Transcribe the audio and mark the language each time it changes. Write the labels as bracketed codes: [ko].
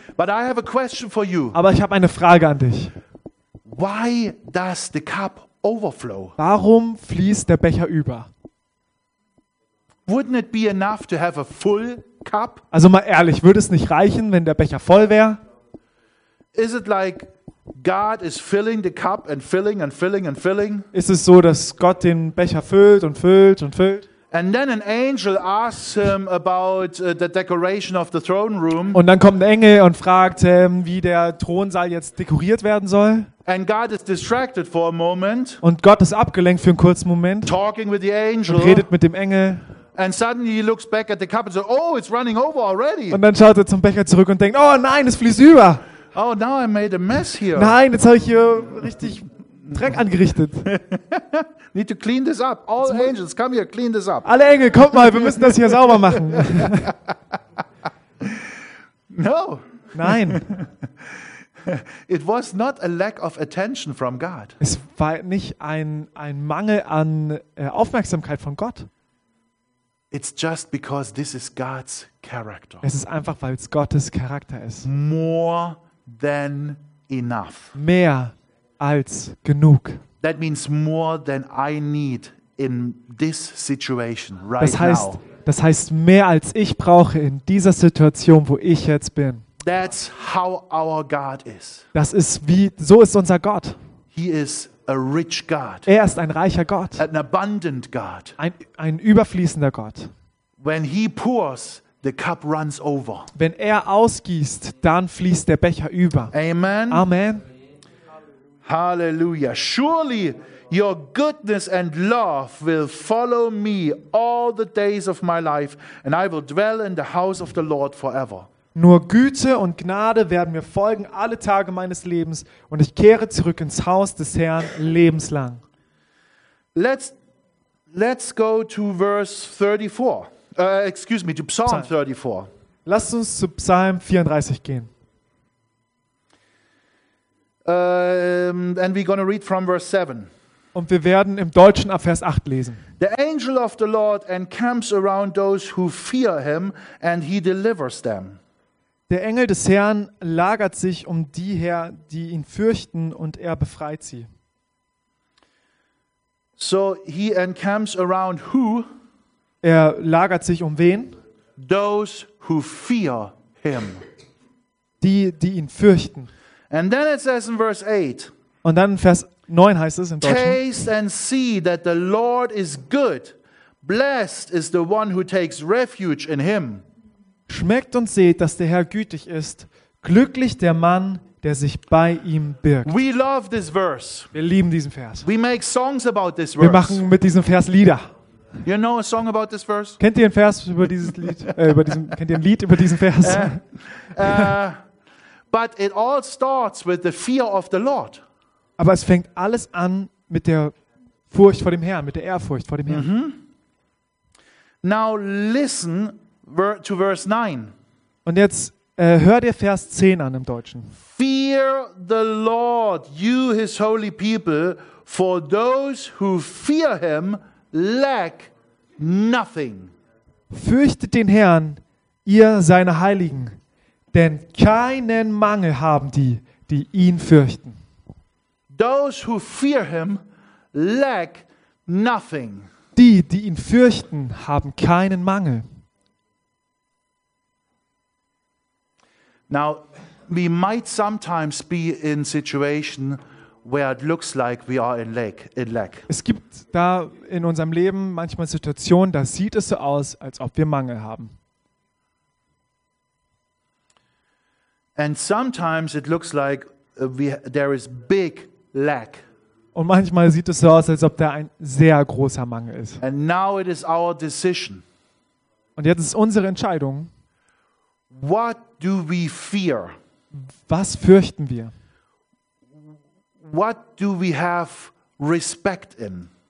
[en] But I have a question for you. [de] Aber ich habe eine Frage an dich. [en] Why does the cup overflow? [de] Warum fließt der Becher über? [en] Wouldn't it be enough to have a full cup? [de] Also mal ehrlich, würde es nicht reichen, wenn der Becher voll wäre? [en] Is it like God is filling the cup and filling and filling and filling? [de] Ist es so, dass Gott den Becher füllt und füllt und füllt? [en] And then an angel asks him about the decoration of the throne room. [de] Und dann kommt ein Engel und fragt, wie der Thronsaal jetzt dekoriert werden soll. [en] And God is distracted for a moment. [de] Und Gott ist abgelenkt für einen kurzen Moment. [en] Talking with the angel. [de] Und redet mit dem Engel. [en] And suddenly he looks back at the cup and says, "Oh, it's running over already." [de] Und dann schaut er zum Becher zurück und denkt, oh nein, es fließt über. [en] Oh, now I made a mess here. [de] Nein, jetzt habe ich hier richtig Dreck angerichtet. [en] Need to clean this up. All angels, come here, clean this up. [de] Alle Engel, kommt mal, wir müssen das hier sauber machen. [en] No. [de] Nein. [en] It was not a lack of attention from God. [de] Es war nicht ein Mangel an Aufmerksamkeit von Gott. [en] It's just because this is God's character. [de] Es ist einfach, weil es Gottes Charakter ist. [en] More than enough. [de] Mehr als genug. [en] That means more than I need in this situation right now. [de] Das heißt mehr als ich brauche in dieser Situation, wo ich jetzt bin. [en] That's how our God is. [de] Das ist wie so ist unser Gott. [en] He is a rich God. [de] Er ist ein reicher Gott. [en] An abundant God. [de] Ein überfließender Gott. [en] When he pours, the cup runs over. [de] Wenn er ausgießt, dann fließt der Becher über. [en] Amen. [de] Amen. Hallelujah. [en] Surely your goodness and love will follow me all the days of my life, and I will dwell in the house of the Lord forever. [de] Nur Güte und Gnade werden mir folgen alle Tage meines Lebens, und ich kehre zurück ins Haus des Herrn lebenslang. [en] Let's go to verse 34. Excuse me, to Psalm 34. [de] Lasst uns zu Psalm 34 gehen. [en] And we're going to read from verse 7. [de] Und wir werden im Deutschen ab Vers 8 lesen. [en] The angel of the Lord encamps around those who fear him, and he delivers them. [de] Der Engel des Herrn lagert sich um die her, die ihn fürchten, und er befreit sie. [en] So he encamps around who? [de] Er lagert sich um wen? [en] Those who fear him. [de] Die ihn fürchten. [en] And then it says in verse 8. [de] Und dann in Vers 9 heißt es im Deutschen. [en] Taste and see that the Lord is good. Blessed is the one who takes refuge in him. [de] Schmeckt und seht, dass der Herr gütig ist. Glücklich der Mann, der sich bei ihm birgt. [en] We love this verse. [de] Wir lieben diesen Vers. [en] We make songs about this verse. [de] Wir machen mit diesem Vers Lieder. [en] You know a song about this verse? [de] Kennt ihr ein Vers über dieses Lied? kennt ihr ein Lied über diesen Vers? [en] But it all starts with the fear of the Lord. [de] Aber es fängt alles an mit der Furcht vor dem Herrn, mit der Ehrfurcht vor dem Herrn. Mm-hmm. [en] Now listen to verse 9. [de] Und jetzt hör dir Vers 10 an im Deutschen. [en] Fear the Lord, you his holy people, for those who fear him lack nothing. [de] Fürchtet den Herrn, ihr seine Heiligen, denn keinen Mangel haben die, die ihn fürchten. [en] Those who fear him lack nothing. [de] Die, die ihn fürchten, haben keinen Mangel. [en] Now, we might sometimes be in situation where it looks like we are in lack. [de] Es gibt da in unserem Leben manchmal Situationen, da sieht es so aus, als ob wir Mangel haben. [en] And sometimes it looks like there is big lack. [de] Und manchmal sieht es so aus, als ob da ein sehr großer Mangel ist. [en] And now it is our decision. [de] Und jetzt ist unsere Entscheidung. [en] What do we fear? [de] Was fürchten wir? [en] What do we have respect in?